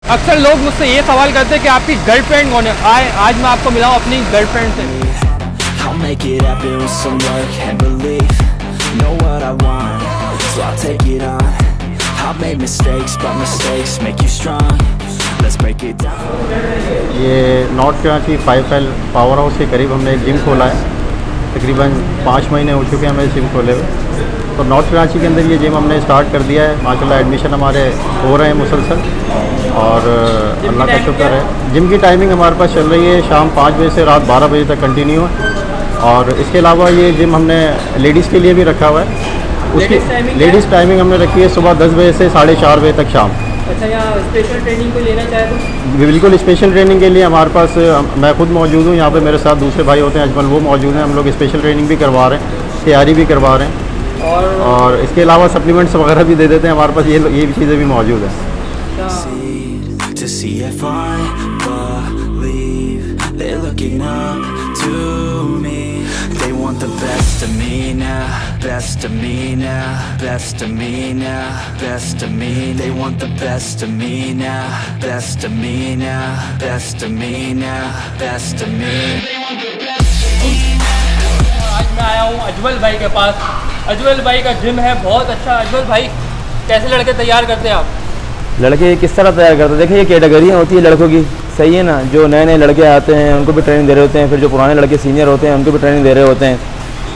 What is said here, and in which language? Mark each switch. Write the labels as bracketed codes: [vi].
[hi] अक्सर लोग मुझसे ये सवाल करते हैं कि आपकी गर्लफ्रेंड कौन है। आज मैं आपको मिलाऊं अपनी गर्लफ्रेंड से। [en] I'll make it happen with some work and belief. Know what I want, so I'll take it on. I've made mistakes, but mistakes make you strong. Let's break it down. [hi] ये north क्यों की 5L power house के करीब हमने gym खोला है। तकरीबन 5 महीने हो चुके हैं हमें जिम खोले हुए। तो नॉर्थ कराची के अंदर ये जिम हमने स्टार्ट कर दिया है। माशाल्लाह एडमिशन हमारे हो रहे हैं मुसलसल और अल्लाह का शुक्र है। जिम की टाइमिंग हमारे पास चल रही है शाम 5 बजे से रात 12 बजे तक कंटिन्यू है। और इसके अलावा ये जिम हमने लेडीज़ के लिए भी रखा हुआ है। उसकी लेडीज़ टाइमिंग हमने रखी है सुबह 10 बजे से 4:30 बजे तक शाम। बिल्कुल स्पेशल ट्रेनिंग के लिए हमारे पास मैं खुद मौजूद हूँ। यहाँ पर मेरे साथ दूसरे भाई होते हैं अजमल, वो मौजूद हैं। हम लोग स्पेशल ट्रेनिंग भी करवा रहे हैं, तैयारी भी करवा रहे हैं और इसके अलावा सप्लीमेंट्स वगैरह भी दे देते हैं। हमारे पास ये चीज़ें भी मौजूद हैं। [en] Best of me now, best of me now, best of me. They want the best of me now, best of me now, best of me now, best of me. [hi] आज मैं आया हूँ अजमल भाई के पास। अजमल भाई का जिम है बहुत अच्छा। अजमल भाई, कैसे लड़के तैयार करते हैं आप? लड़के किस तरह तैयार करते हैं? देखिए, ये कैटेगरियाँ होती है लड़कों की, सही है ना? जो नए नए लड़के आते हैं उनको भी ट्रेनिंग दे रहे होते हैं, फिर जो पुराने लड़के सीनियर होते हैं उनको भी ट्रेनिंग दे रहे होते हैं।